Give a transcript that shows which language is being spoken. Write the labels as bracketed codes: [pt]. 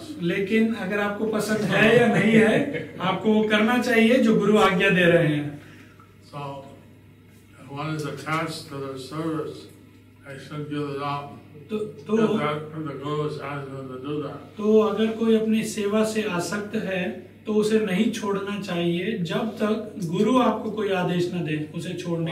[hi] लेकिन अगर आपको पसंद है या नहीं है, आपको वो करना चाहिए जो गुरु आज्ञा दे रहे हैं. [en] So, one is attached to the service, I should give it up. [hi] तो अगर कोई अपनी सेवा से आसक्त है तो उसे नहीं छोड़ना चाहिए जब तक गुरु आपको कोई आदेश न दे उसे छोड़ने